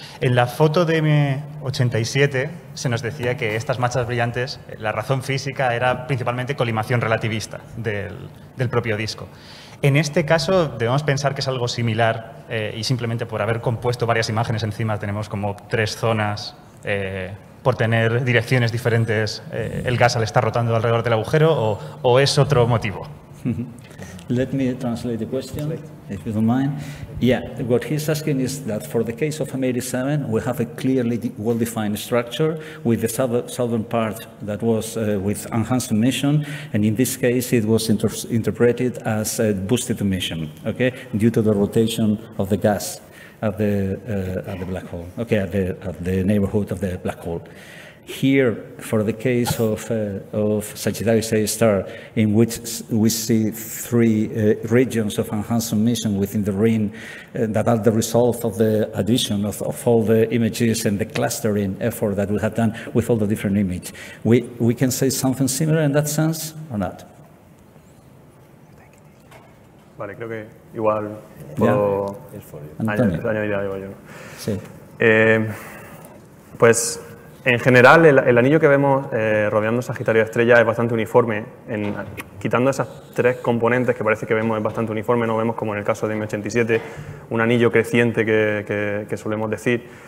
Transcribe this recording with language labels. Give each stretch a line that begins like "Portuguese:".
Spanish: En la foto de M87 se nos decía que estas manchas brillantes, la razón física era principalmente colimación relativista del propio disco. En este caso debemos pensar que es algo similar y simplemente por haber compuesto varias imágenes encima tenemos como tres zonas por tener direcciones diferentes, el gas al estar rotando alrededor del agujero, o es otro motivo?
English: Let me translate the question, if you don't mind. Yeah, what he's asking is that for the case of M87, we have a clearly well-defined structure with the southern part that was with enhanced emission, and in this case it was interpreted as a boosted emission, okay, due to the rotation of the gas at the black hole, okay, at the neighborhood of the black hole. Here, for the case of Sagittarius A star, in which we see three regions of enhanced emission within the ring that are the result of the addition of all the images and the clustering effort that we have done with all the different images, we can say something similar in that sense or not?
Spanish: Vale, creo que igual puedo añadir algo yo. Sí. Pues en general el anillo que vemos rodeando Sagitario Estrella es bastante uniforme, quitando esas tres componentes que parece que vemos es bastante uniforme, no vemos como en el caso de M87 un anillo creciente que solemos decir.